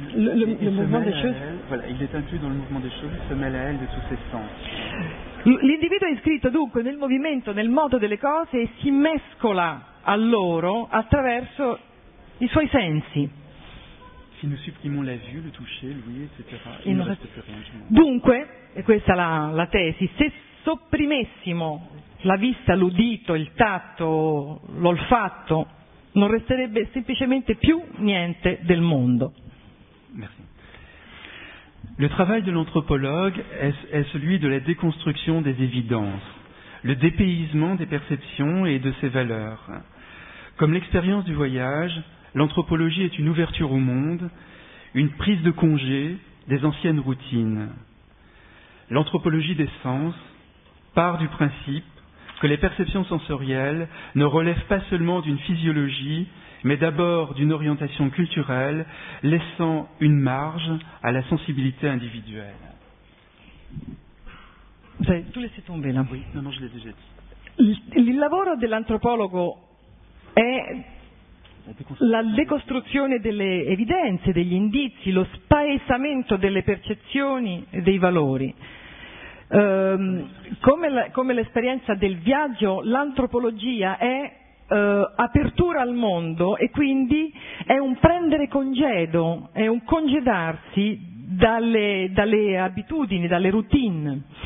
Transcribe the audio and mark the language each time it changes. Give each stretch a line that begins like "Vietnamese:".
French: le mouvement des choses. Voilà, il est inclus dans le mouvement des choses, il se mêle à elle de tous ses sens.
Italian: L'individuo è iscritto dunque nel movimento, nel moto delle cose e si mescola a loro attraverso i suoi sensi.
French: Si nous supprimons la vue, le toucher, l'ouïe, etc., il ne reste plus rien.
Italian: Dunque, e questa è la tesi, se sopprimessimo la vista, l'udito, il tatto, l'olfatto, non resterebbe semplicemente più niente del mondo.
French: Merci. Le travail de l'anthropologue est celui de la déconstruction des évidences, le dépaysement des perceptions et de ses valeurs. Comme l'expérience du voyage, l'anthropologie est une ouverture au monde, une prise de congé des anciennes routines. L'anthropologie des sens part du principe que les perceptions sensorielles ne relèvent pas seulement d'une physiologie, mais d'abord d'une orientation culturelle, laissant une marge à la sensibilité individuelle. Vous avez tout laissé tomber là. Oui, non, je l'ai déjà dit.
Italian: Le lavoro dell'antropologo è la decostruzione delle evidenze, degli indizi, lo spaesamento delle percezioni e dei valori. Come l'esperienza del viaggio, l'antropologia è apertura al mondo e quindi è un prendere congedo, è un congedarsi dalle abitudini, dalle routine.